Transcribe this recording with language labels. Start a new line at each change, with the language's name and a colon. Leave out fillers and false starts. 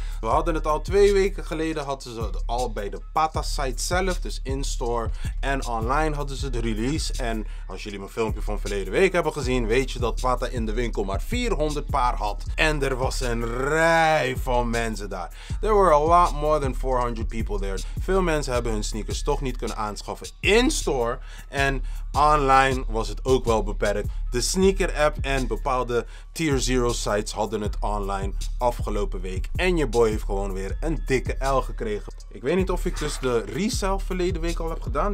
Dutch: We hadden het al 2 weken geleden, hadden ze het al bij de Pata site zelf, dus in-store en online hadden ze de release. En als jullie mijn filmpje van verleden week hebben gezien, weet je dat Pata in de winkel maar 400 paar had. En er was een rij van mensen daar.
English: There were a lot more than 400 people there.
Dutch: Veel mensen hebben hun sneakers toch niet kunnen aanschaffen in-store. En online was het ook wel beperkt. De sneaker app en bepaalde tier 0 sites hadden het online afgelopen week. En je boy heeft gewoon weer een dikke L gekregen. Ik weet niet of ik dus de resale verleden week al heb gedaan.